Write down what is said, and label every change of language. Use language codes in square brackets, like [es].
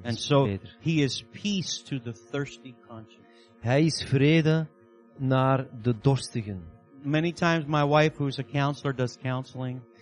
[en] And so he is peace to the thirsty conscience. [nl] Hij is vrede naar de dorstigen. [en] Many times my wife, who's a counselor, does counseling.